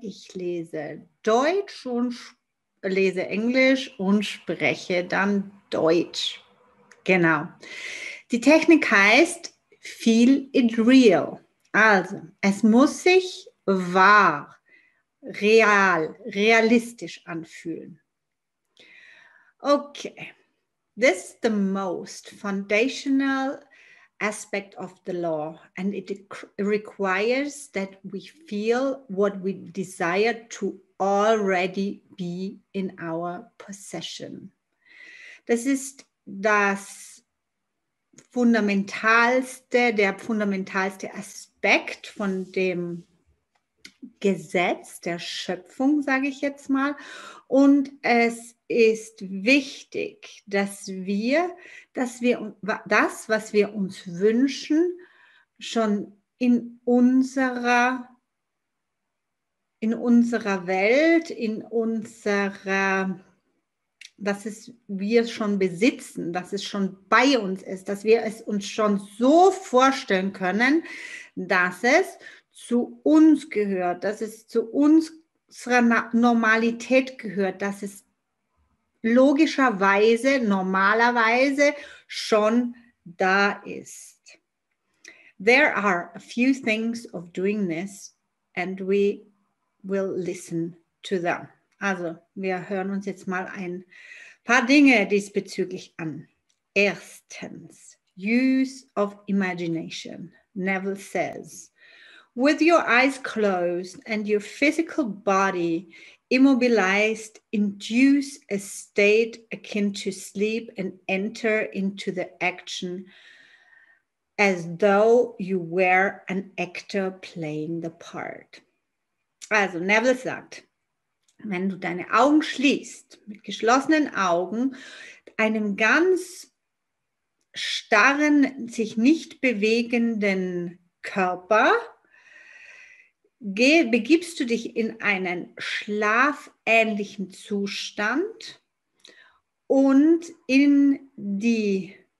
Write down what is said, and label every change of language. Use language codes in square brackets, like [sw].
[de] Ich lese Deutsch und lese Englisch und spreche dann Deutsch. Genau. Die Technik heißt Feel it real. Also, es muss sich wahr, real, realistisch anfühlen. [en] Okay, this is the most foundational aspect of the law and it requires that we feel what we desire to already be in our possession. [de] Das ist das fundamentalste, der fundamentalste Aspekt von dem Gesetz der Schöpfung, sage ich jetzt mal. Und es ist wichtig, dass wir das, was wir uns wünschen, schon in unserer Welt, dass es wir schon besitzen, dass es schon bei uns ist, dass wir es uns schon so vorstellen können, dass es zu uns gehört, dass es zu unserer Normalität gehört, dass es logischerweise, normalerweise schon da ist. [en] There are a few things of doing this and we will listen to them. [de] Also, wir hören uns jetzt mal ein paar Dinge diesbezüglich an. Erstens, [en] Use of Imagination. Neville says, with your eyes closed and your physical body immobilized, induce a state akin to sleep and enter into the action as though you were an actor playing the part. [de] Also Neville sagt, wenn du deine Augen schließt, mit geschlossenen Augen, einem ganz starren, sich nicht bewegenden Körper, begibst du dich in einen schlafähnlichen Zustand und in die